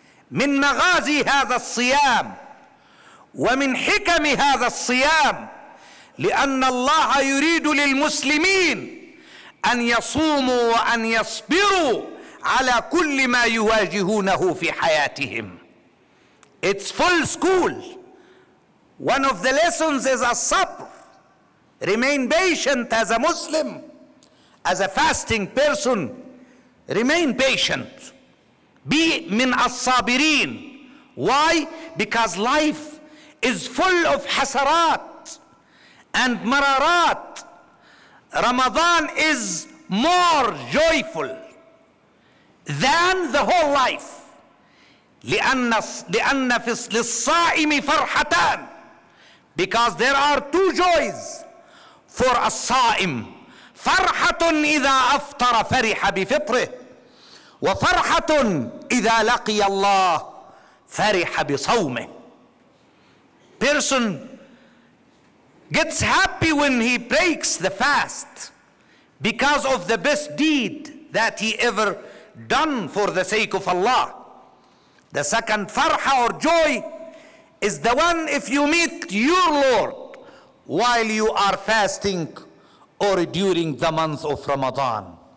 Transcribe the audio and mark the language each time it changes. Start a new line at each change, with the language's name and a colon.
Arabic: من مغازي هذا الصيام ومن حكم هذا الصيام, لأن الله يريد للمسلمين أن يصوموا وأن يصبروا على كل ما يواجهونه في حياتهم.
English: It's full school. One of the lessons is الصبر. Remain patient as a Muslim, as a fasting person. Remain patient.
Arabic: Be من الصابرين.
English: Why? Because life is full of حسرات and مرارات. Ramadan is more joyful than the whole life.
Arabic: لأن للصائم فرحتان.
English: Because there are two joys for a الصائم.
Arabic: فرحة إذا أفطر فرح بفطره, وفرحة إذا لقي الله فرح بصومه.
English: Person gets happy when he breaks the fast because of the best deed that he ever done for the sake of Allah. The second farha or joy is the one if you meet your Lord while you are fasting or during the month of Ramadan.